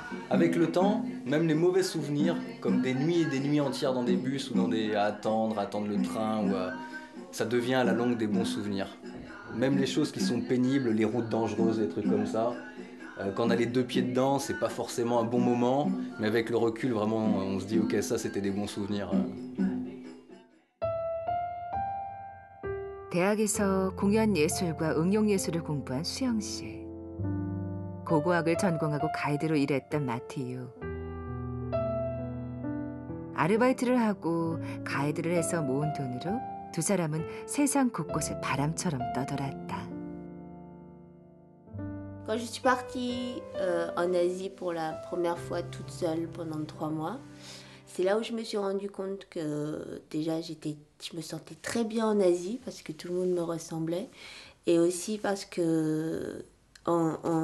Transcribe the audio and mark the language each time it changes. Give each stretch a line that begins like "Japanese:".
French: Avec le temps, même les mauvais souvenirs, comme des nuits entières dans des bus ou dans des attendre le train, ou ça devient à la longue des bons souvenirs. Même les choses qui sont pénibles, les routes dangereuses, les trucs comme ça. Quand on a les deux pieds dedans, c'est pas forcément un bon moment, mais avec le recul, vraiment, on se dit ok, ça, c'était des bons souvenirs.
Korean: 대학에서 공연예술과 응용예술을 공부한 수영 씨. 고고학을 전공하고 가이드로 일했던 마티유. 아르바이트를 하고 가이드를 해서 모은 돈으로 두 사람은 세상 곳곳에 바람처럼 떠돌았다.
French: Quand je suis partie en Asie pour la première fois toute seule pendant 3 mois, c'est là où je me suis rendu compte que déjà je me sentais très bien en Asie parce que tout le monde me ressemblait et aussi parce que en